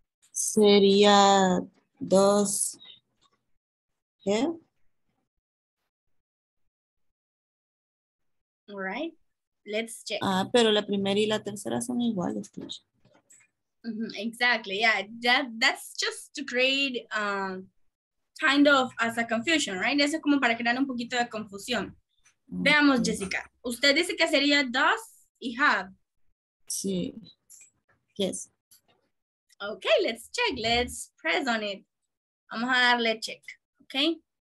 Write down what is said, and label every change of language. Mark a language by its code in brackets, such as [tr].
[es] Sería dos. ¿Qué? [en] All right. Let's check. [es] Ah, pero la primera y la tercera son iguales. [en] Exactly. Yeah. That's just to create kind of as a confusion, right? [es] Eso es como para crear un poquito de confusión. Okay. Veamos, Jessica. Usted dice que sería dos y have. Sí. Yes. [en] Okay, let's check. Let's press on it. [es] Vamos a darle check. [en] Okay.